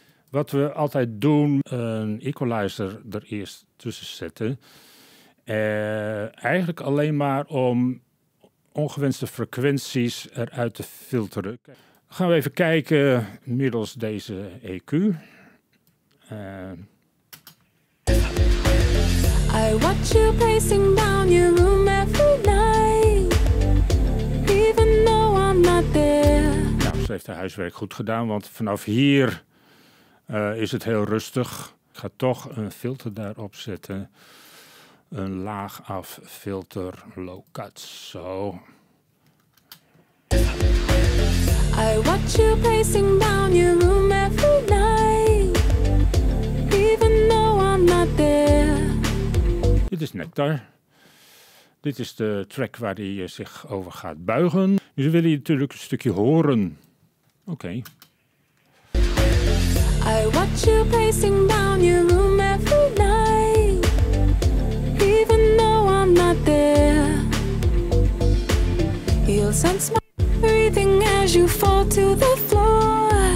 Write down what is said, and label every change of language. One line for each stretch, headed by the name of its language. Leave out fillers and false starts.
Dutch: Wat we altijd doen, een equalizer er eerst tussen zetten. Eigenlijk alleen maar om ongewenste frequenties eruit te filteren. Gaan we even kijken middels deze EQ.
English: I watch you pacing down your room every night, even though I'm not there.
Dutch: Ze heeft haar huiswerk goed gedaan, want vanaf hier is het heel rustig. Ik ga toch een filter daarop zetten. Een laag af filter low cut, zo.
English: I watch you pacing down your room every night, even though I'm not there.
Dutch: Dit is Nectar. Dit is de track waar hij zich over gaat buigen. Nu wil je natuurlijk een stukje horen. Oké.
English: I watch you pacing down your room every night, even though I'm not there. You'll sense my breathing as you fall to the floor.